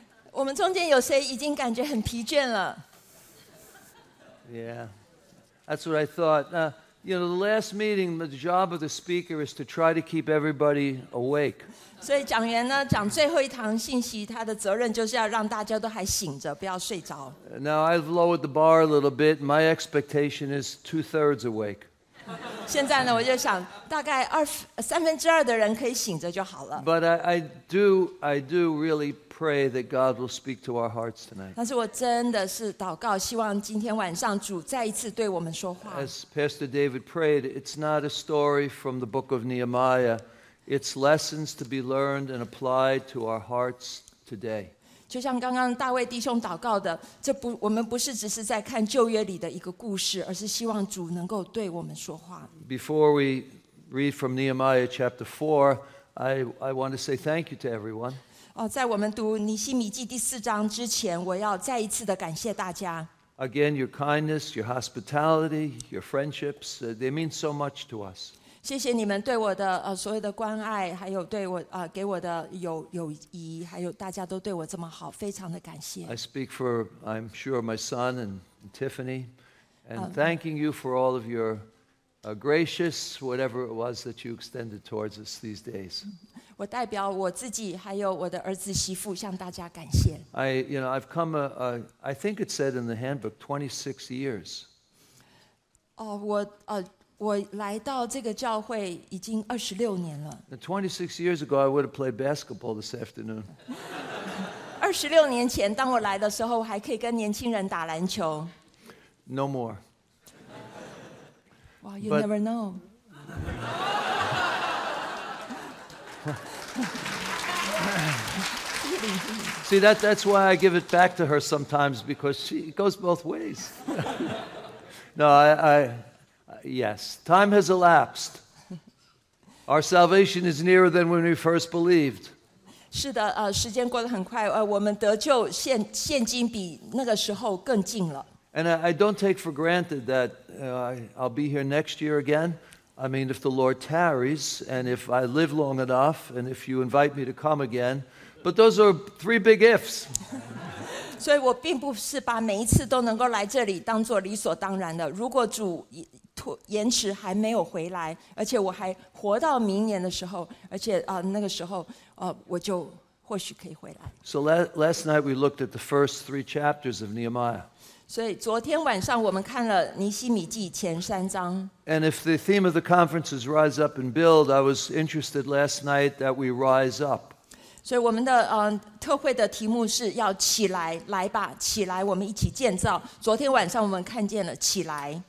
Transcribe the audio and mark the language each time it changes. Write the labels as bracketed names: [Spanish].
[Chinese] 我们中间有谁已经感觉很疲倦了？ [English] Yeah, that's what I thought. You know, the last meeting, the job of the speaker is to try to keep everybody awake. [Chinese] 所以讲员呢，讲最后一堂信息，他的责任就是要让大家都还醒着，不要睡着。 [English] Now I've lowered the bar a little bit. My expectation is 2/3 awake. [Chinese] 现在呢，我就想大概三分之二的人可以醒着就好了。 [English] But I do really pray that God will speak to our hearts tonight. [Chinese] 但是我真的是祷告，希望今天晚上主再一次对我们说话。 [English] As Pastor David prayed, it's not a story from the book of Nehemiah. It's lessons to be learned and applied to our hearts today. [Chinese] 就像刚刚大卫弟兄祷告的，我们不是只是在看旧约里的一个故事，而是希望主能够对我们说话。 [English] Before we read from Nehemiah chapter 4, I want to say thank you to everyone. [Chinese] 在我们读尼希米记第四章之前，我要再一次的感谢大家。 [English] Again, your kindness, your hospitality, your friendships, they mean so much to us. [Chinese] 谢谢你们对我的所有的关爱，还有对我给我的友谊，还有大家都对我这么好，非常的感谢。 [English] I speak for, I'm sure, my son and Tiffany, and thanking you for all of your gracious, whatever it was that you extended towards us these days. [Chinese] 我代表我自己，还有我的儿子媳妇，向大家感谢。 [English] I've come I think it said in the handbook 26 years. [Chinese] 我来到这个教会已经26年了。 [English] 26 years ago, I would have played basketball this afternoon. [Chinese] 26年前，当我来的时候，我还可以跟年轻人打篮球。 [English] No more. Wow, you never know. See, that's why I give it back to her sometimes, because it goes both ways. No, Yes, time has elapsed. Our salvation is nearer than when we first believed. [Chinese] 是的，时间过得很快，我们得救现今比那个时候更近了。 [English] And I don't take for granted that I'll be here next year again. I mean, if the Lord tarries, and if I live long enough, and if you invite me to come again. But those are three big ifs. [Chinese] 所以我并不是把每一次都能够来这里当作理所当然的。如果主延迟还没有回来，而且我还活到明年的时候，而且那个时候我就或许可以回来。 [English] So last night we looked at the first three chapters of Nehemiah. [Chinese] 所以昨天晚上我们看了尼希米记前三章。 [English] And if the theme of the conference is rise up and build, I was interested last night that we rise up. [Chinese] 所以我们的特会的题目是要起来，来吧，起来，我们一起建造。昨天晚上我们看见了起来。